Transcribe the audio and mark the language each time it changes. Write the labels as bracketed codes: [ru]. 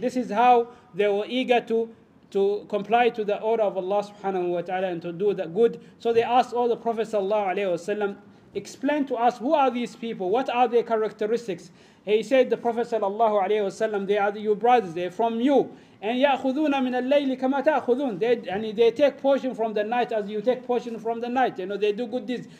[en] This is how they were eager to comply to the order of Allah subhanahu wa ta'ala and to do the good. So they asked all the Prophet sallallahu alayhi wa sallam, explain to us, who are these people? What are their characteristics? He said, the Prophet sallallahu alayhi wa sallam, they are your brothers, they're from you. [ar] And يأخذون من الليل كما تأخذون. [en] They take portion from the night as you take portion from the night. You know, they do good deeds.